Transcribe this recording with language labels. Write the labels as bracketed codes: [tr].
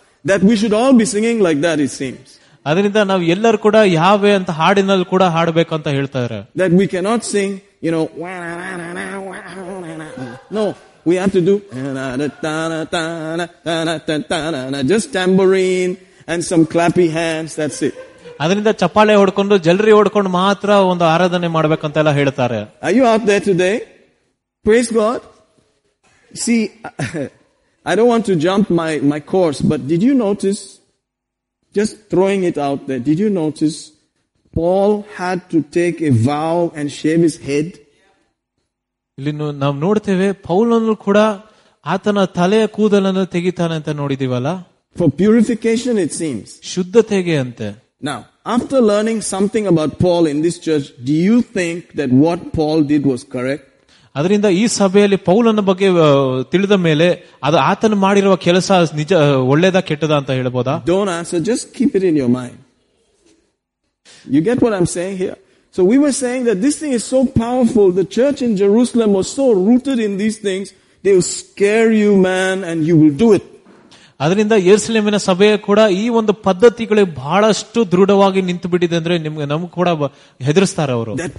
[en] That we should all be singing like that, it seems. [kn] ಅದರಿಂದ ನಾವು ಎಲ್ಲರೂ ಕೂಡ ಯಾವೆ ಅಂತ ಹಾಡಿನಲ್ಲಿ ಕೂಡ ಹಾಡಬೇಕು ಅಂತ ಹೇಳ್ತಾರೆ. [en] That we cannot sing, you know, na na na na na na. No, we have to do na na ta na ta na ta na ta ta na na. Just tambourine and some clappy hands, that's it. [kn] ಅದರಿಂದ ಚಪ್ಪಾಳೆ ಹೊಡ್ಕೊಂಡು ಜಲ್ರಿ ಹೊಡ್ಕೊಂಡು ಮಾತ್ರ ಒಂದು ಆರಾಧನೆ ಮಾಡಬೇಕಂತ ಎಲ್ಲ ಹೇಳ್ತಾರೆ. [en] Are you out there today? Praise God. See, I don't want to jump my course, but did you notice, just throwing it out there, did you notice Paul had to take a vow and shave his head? [kn] ಇಲ್ಲಿ ನಾವ್ ನೋಡ್ತೇವೆ ಪೌಲನು ಕೂಡ ಆತನ ತಲೆಯ ಕೂದಲನ್ನು ತೆಗಿತಾನೆ ಅಂತ ನೋಡಿದೀವಲ್ಲ. [en] For purification, it seems. [kn] ಶುದ್ಧತೆಗೆ ಅಂತೆ. [en] Now, after learning something about Paul in this church, do you think that what Paul did was correct? [kn] ಅದರಿಂದ ಈ ಸಭೆಯಲ್ಲಿ ಪೌಲನ ಬಗ್ಗೆ ತಿಳಿದ ಮೇಲೆ ಅದು ಆತನು ಮಾಡಿರುವ ಕೆಲಸ ನಿಜ ಒಳ್ಳೇದಾ ಕೆಟ್ಟದಾ ಅಂತ ಹೇಳಬಹುದಾ? [en] Don't answer, just keep it in your mind. You get what I'm saying here? So we were saying that this thing is so powerful, the church in Jerusalem was so rooted in these things, they will scare you, man, and you will do it. [kn] ಅದರಿಂದ ಯೆರೂಸಲೇಮಿನ ಸಭೆಯ ಕೂಡ ಈ ಒಂದು ಪದ್ಧತಿಗಳು ಬಹಳಷ್ಟು ದೃಢವಾಗಿ ನಿಂತು ಬಿಟ್ಟಿದೆ ಅಂದ್ರೆ ನಿಮ್ಗೆ ನಮ್ ಕೂಡ ಹೆದರಿಸ್ತಾರೆ ಅವರು.